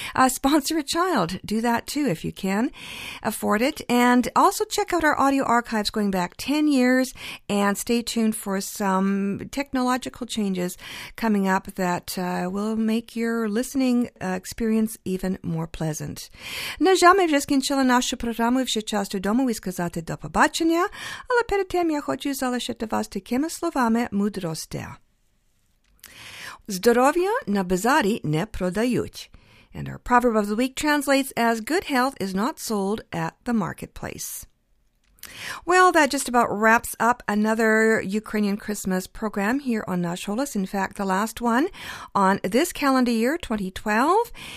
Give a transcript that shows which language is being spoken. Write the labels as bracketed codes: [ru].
[en] Sponsor a child. Do that too if you can afford it. And also check out our audio archives going back 10 years and stay tuned for some technological changes coming up that will make your listening experience even more pleasant. [uk] На жаль, вже скінчила нашу програму, вже час додому і сказати до побачення, але перед тим я хочу залишити вас такими словами мудрості. Здоров'я на базарі не продають. [en] And our proverb of the week translates as, good health is not sold at the marketplace. Well, that just about wraps up another Ukrainian Christmas program here on Nash Holos. In fact, the last one on this calendar year, 2012.